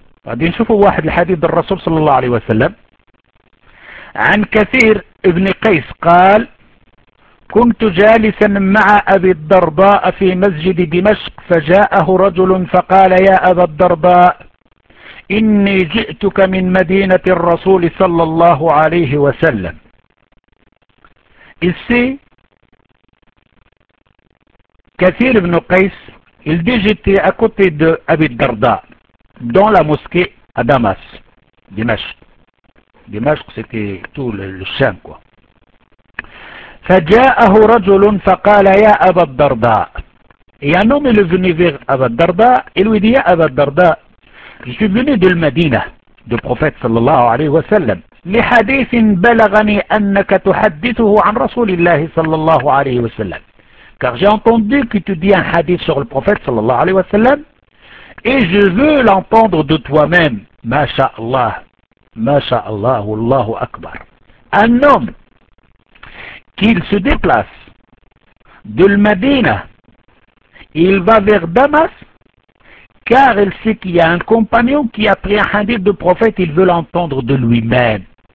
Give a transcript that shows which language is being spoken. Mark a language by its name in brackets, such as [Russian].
[Arabic] بعدين شوفوا واحد الحديث الرسول صلى الله عليه وسلم عن كثير ابن قيس قال: كنت جالسا مع أبي الدرداء في مسجد دمشق، فجاءه رجل فقال: يا أبا الدرداء، إني جئتك من مدينة الرسول صلى الله عليه وسلم. [French] السي كثير بن قيس il dit j'étais à côté de Abi Darda dans la mosquée à Damas, Dimashq. Dimashq c'était tout le Cham quoi. [Arabic] فجاءه رجل فقال يا أبا الدرداء. [French] Et un homme est venu vers Abi Darda et lui dit: يا أبا الدرداء، je suis venu de المدينة du prophète [Arabic] صلى الله عليه وسلم لحديث بلغني أنك تحدثه عن رسول الله صلى الله عليه وسلم. [French] Car j'ai entendu que tu dis un hadith sur le prophète [Arabic] sallallahu alayhi wa sallam, [French] et je veux l'entendre de toi-même. [Arabic] Masha'Allah, Masha'Allah, Wallahu Akbar. [French] Un homme qu'il se déplace de l'Madina, il va vers Damas, car il sait qu'il y a un compagnon qui a pris un hadith du prophète, il veut l'entendre de lui-même.